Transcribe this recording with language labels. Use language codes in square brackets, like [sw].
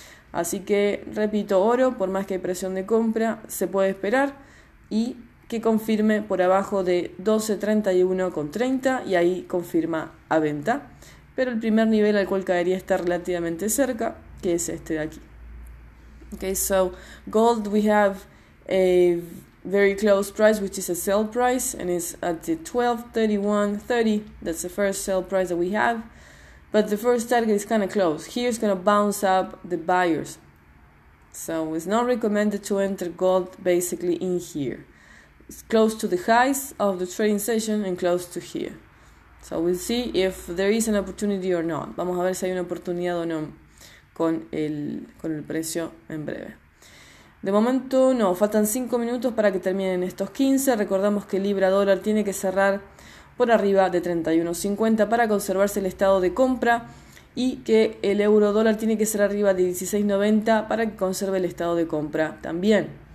[es] Así que, repito, oro, por más que hay presión de compra, se puede esperar y que confirme por abajo de 12.31.30 y ahí confirma a venta. Pero el primer nivel al cual caería está relativamente cerca, que es este de aquí. [en] Okay, so gold, we have a very close price, which is a sell price, and it's at the 1231.30. That's the first sell price that we have. But the first target is kind of close. Here it's going to bounce up the buyers. So it's not recommended to enter gold basically in here. It's close to the highs of the trading session and close to here. So we'll see if there is an opportunity or not. [es] Vamos a ver si hay una oportunidad o no con el precio en breve. De momento no, faltan 5 minutos para que terminen estos 15. Recordamos que Libra Dólar tiene que cerrar por arriba de 31.50 para conservarse el estado de compra, y que el euro dólar tiene que ser arriba de 16.90 para que conserve el estado de compra también.